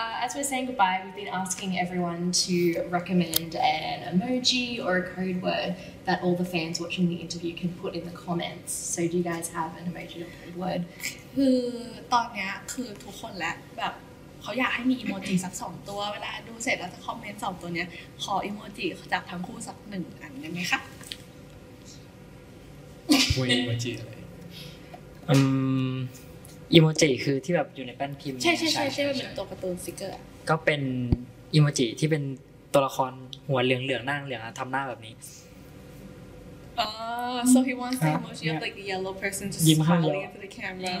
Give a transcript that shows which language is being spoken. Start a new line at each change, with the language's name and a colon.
English: As we're saying goodbye, we've been asking everyone to recommend an emoji or a code word that all the fans watching the interview can put in the comments. So do you guys have an emoji or code word?
Thai: คือตอนนี้คือทุกคนและแบบเขาอยากให้มีอีโมจิสัก2ตัวเวลาดูเสร็จแล้วจะคอมเมนต์2ตัวเนี้ยขออีโมจิจากทั้งคู่สัก1อันได้มั้ยคะ วงอีโมจิอะไร อีโมจิคือที่แบบอยู่ในแป้นพิมพ์ใช่ใช่ใช่ใช่เป็นตัวการ์ตูนสติ๊กเกอร์ก็เป็นอีโมจิที่เป็นตัวละครหัวเหลืองๆหน้าเหลืองทำหน้าแบบนี้
English: so he wants the emoji of like the yellow person just smiling into the camera